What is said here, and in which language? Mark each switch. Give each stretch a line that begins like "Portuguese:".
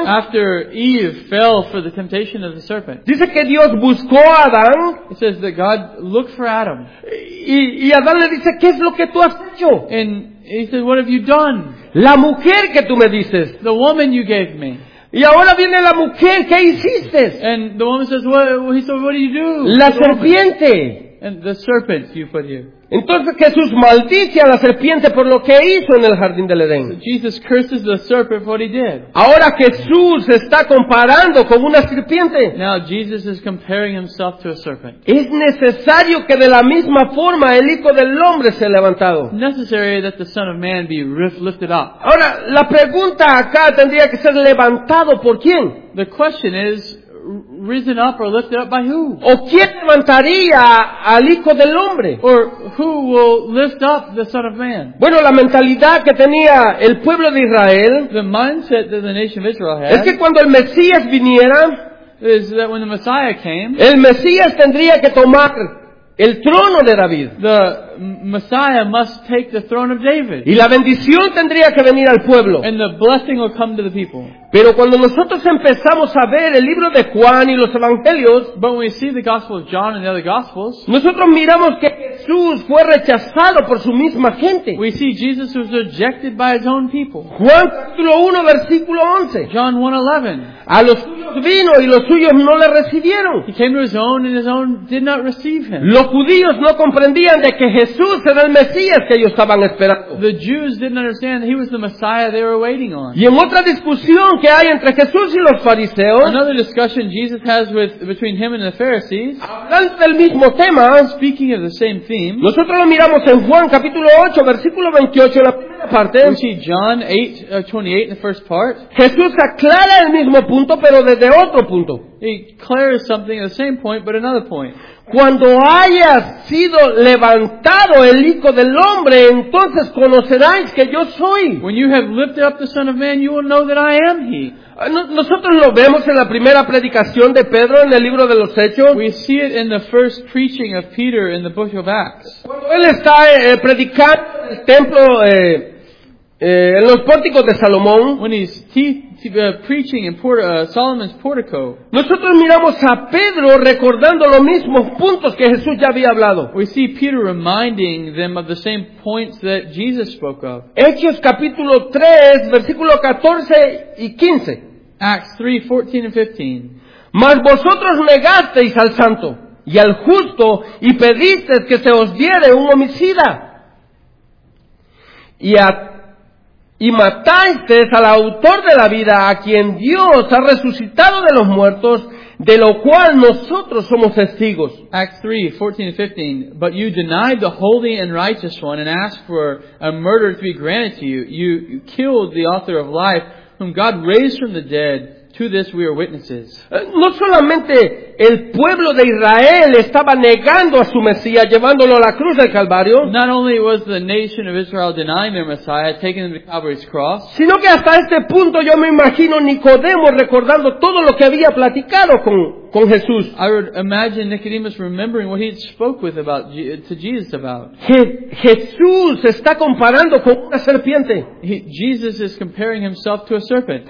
English: after Eve fell for the temptation of the serpent,
Spanish: dice que Dios buscó a Adán.
English: It says that God looked for Adam.
Spanish: Y Adán le dice, ¿qué es lo que tú has hecho?
English: And he says, what have you done?
Spanish: La mujer que tú me dices.
English: The woman you gave me.
Spanish: Y ahora viene la mujer, ¿qué hiciste?
English: And the woman says, well, he said, what do you do?
Spanish: La serpiente.
English: And the serpent you put here.
Spanish: Entonces Jesús maldice a la serpiente por lo que hizo en el jardín del Edén.
English: So Jesus curses the serpent for what he did.
Spanish: Ahora Jesús está comparando con una serpiente.
English: Now Jesus is comparing himself to a serpent.
Spanish: Es necesario que de la misma forma el Hijo del Hombre sea levantado.
English: It's necessary that the Son of Man be lifted up.
Spanish: Ahora la pregunta acá tendría que ser levantado por quién.
English: The question is, risen up or lifted up by who?
Spanish: ¿O quién levantaría al Hijo del Hombre?
English: Or who will lift up the Son of Man?
Spanish: Bueno, la mentalidad que tenía el pueblo de Israel,
English: the mindset that the nation of Israel had,
Spanish: es que cuando el Mesías viniera,
English: is that when the Messiah came,
Spanish: el Mesías tendría que tomar el trono de David.
English: The Messiah must take the throne of David.
Spanish: Y la bendición tendría que venir al pueblo.
English: And the blessing will come to the people.
Spanish: Pero cuando nosotros empezamos a ver el libro de Juan y los evangelios,
English: but when we see the gospel of John and the other gospels,
Spanish: nosotros miramos que Jesús fue rechazado por su misma gente.
English: We see Jesus was rejected by his own people.
Spanish: Juan capítulo 1 versículo 11.
English: John 1:11.
Spanish: A los suyos vino y los suyos no le recibieron.
English: He came to his own and his own did not receive him.
Spanish: Los judíos no comprendían de que Jesús era el Mesías que ellos estaban esperando.
English: The Jews didn't understand that he was the Messiah they were waiting on.
Spanish: Y en otra discusión que hay entre Jesús y los fariseos,
English: another discussion Jesus has with between him and the Pharisees,
Spanish: hablando del mismo tema,
English: speaking of the same theme,
Spanish: nosotros lo miramos en Juan capítulo 8 versículo 28 en la primera parte.
English: We see John 8:28 in the first part.
Spanish: Jesús aclara el mismo punto pero desde otro punto.
English: He clears something at the same point but another point.
Spanish: Cuando haya sido levantado el Hijo del Hombre, entonces conoceráis que yo soy.
English: When you have lifted up the Son of Man, you will know that I am He.
Spanish: Nosotros lo vemos en la primera predicación de Pedro en el libro de los Hechos.
English: We see it in the first preaching of Peter in the book of Acts.
Spanish: Cuando él está predicando en el templo En los pórticos de Salomón,
English: when he's preaching in Solomon's portico,
Spanish: nosotros miramos a Pedro recordando los mismos puntos que Jesús ya había hablado.
English: We see Peter reminding them of the same points that Jesus spoke of.
Spanish: Hechos capítulo 3, versículo 14 y 15.
English: Acts 3, 14 and 15.
Spanish: Mas vosotros negasteis al santo y al justo y pedisteis que se os diere un homicida. Y matasteis al autor de la vida, a quien Dios ha resucitado de los muertos, de lo cual nosotros somos testigos.
English: Acts 3, 14 and 15. But you denied the holy and righteous one and asked for a murder to be granted to you. You killed the author of life, whom God raised from the dead. To this we are witnesses.
Spanish: No solamente el pueblo de Israel estaba negando a su Mesías, llevándolo a la cruz del Calvario.
English: Not only was the nation of Israel denying their Messiah, taking him to Calvary's cross.
Spanish: Sino que hasta este punto yo me imagino Nicodemo recordando todo lo que había platicado con Jesús.
English: I would imagine Nicodemus remembering what he spoke with about to Jesus about.
Spanish: Jesús está comparando con una serpiente.
English: Jesus is comparing himself to a serpent.